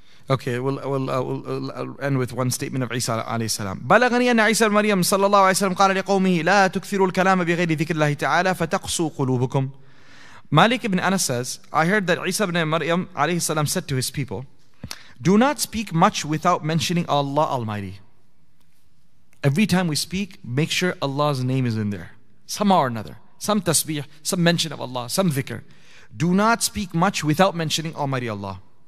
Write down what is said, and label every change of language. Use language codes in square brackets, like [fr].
[en] Okay, we'll end with one statement of Isa alayhi salam. [ar] بلغني أن عيسى المريم صلى الله عليه وسلم قال لقومه لا تكثروا الكلام بغير ذكر الله تعالى فتقسو قلوبكم. [en] Malik ibn Anas says, I heard that Isa ibn Maryam alayhi salam said to his people, do not speak much without mentioning Allah Almighty. Every time we speak, make sure Allah's name is in there. Somehow or another. Some tasbih, some mention of Allah, some dhikr. Do not speak much without mentioning Almighty Allah.